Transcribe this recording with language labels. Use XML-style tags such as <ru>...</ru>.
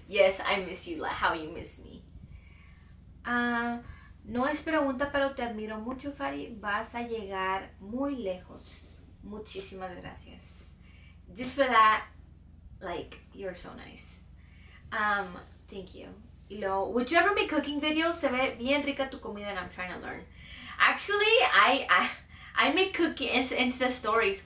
<en>Yes, I miss you, like how you miss me.</en> <es>No es pregunta, pero te admiro mucho, Fari. Vas a llegar muy lejos. Muchísimas gracias.</es> <en>Just for that, like, you're so nice. Thank you.</en> <es>Y luego,</es> <en>would you ever make cooking videos?</en> <es>Se ve bien rica tu comida</es> <en>and I'm trying to learn. Actually, I make cookies, Insta stories.</en>